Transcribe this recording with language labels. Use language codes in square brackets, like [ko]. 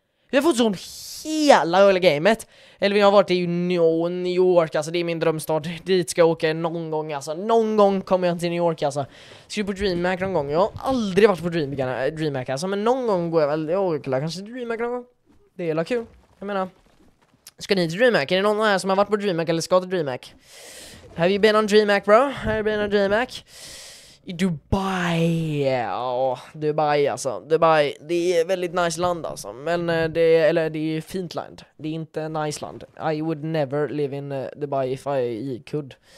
[sv] Vi har fått zon hela gamet. Eller vi har varit i New York, alltså det är min drömstad. Dit ska jag åka någon gång, alltså. Någon gång kommer jag till New York, alltså. Ska på DreamHack någon gång? Jag har aldrig varit på DreamHack, alltså. Men någon gång går jag väl, jag åker kanske till DreamHack någon gång. Det är kul, jag menar. Ska ni till DreamHack? Är det någon här som har varit på DreamHack eller ska till DreamHack? [en] Have you been on DreamHack, bro? Have you been on DreamHack? [sv] I Dubai. Ja, Dubai, alltså. Dubai, det är väldigt nice land, alltså. Men det är fint land. Det är inte nice land. [en] I would never live in Dubai if I could.